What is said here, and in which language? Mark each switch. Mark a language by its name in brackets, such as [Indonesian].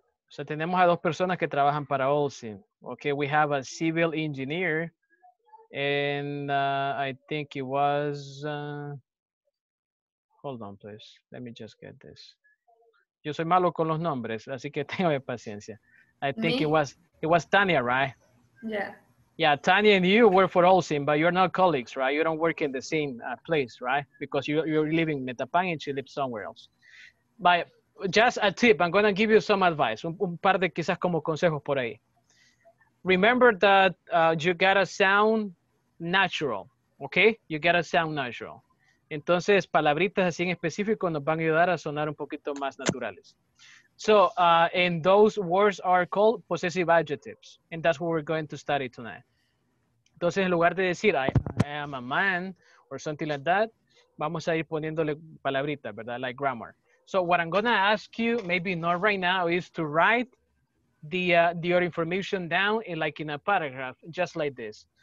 [Spanish] So tenemos a dos personas que trabajan para Olsen. [English] Okay, we have a civil engineer. And I think it was, hold on please. Let me just get this. [Spanish] Yo soy malo con los nombres, así que tengo paciencia. [English] I think it was Tania, right? Yeah. Yeah, Tanya and you work for Olsen, but you're not colleagues, right? You don't work in the same place, right? Because you're living in Metapan and she lives somewhere else. But just a tip, I'm going to give you some advice. [Spanish] Un par de quizás como consejos por ahí. [English] Remember that you got to sound natural, okay? You got to sound natural. [Spanish] Entonces, palabritas así en específico nos van a ayudar a sonar un poquito más naturales. [English] So, and those words are called possessive adjectives. And that's what we're going to study tonight. [Spanish] Entonces, en lugar de decir, [English] I am a man, or something like that, [Spanish] vamos a ir poniéndole palabritas, ¿verdad? [English] Like grammar. So, what I'm going to ask you, maybe not right now, is to write the your information down in like in a paragraph, just like this.